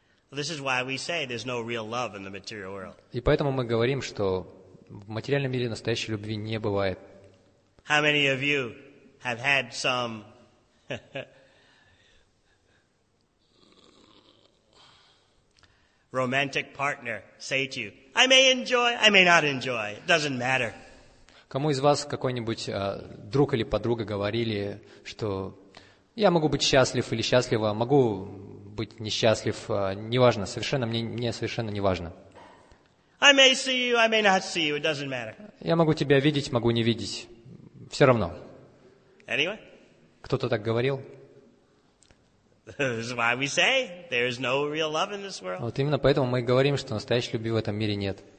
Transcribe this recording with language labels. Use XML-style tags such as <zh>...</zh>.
<en>This is why we say there's no real love in the material world.</en> <ru>И поэтому мы говорим, что в материальном мире настоящей любви не бывает.</ru> <en>How many of you have had some romantic partner say to you, I may enjoy, I may not enjoy, it doesn't matter.</en> <ru>Кому из вас какой-нибудь друг или подруга говорили, что я могу быть счастлив или счастлива, могу быть несчастлив, неважно, совершенно мне совершенно неважно.</ru> <en>I may see you, I may not see you, it doesn't matter.</en> <ru>Я могу тебя видеть, могу не видеть. Все равно.</ru> <en>Anyway?</en> <ru>Кто-то так говорил?</ru> <en>This is why we say there is no real love in this world.</en> <ru>Вот именно поэтому мы и говорим, что настоящей любви в этом мире нет.</ru>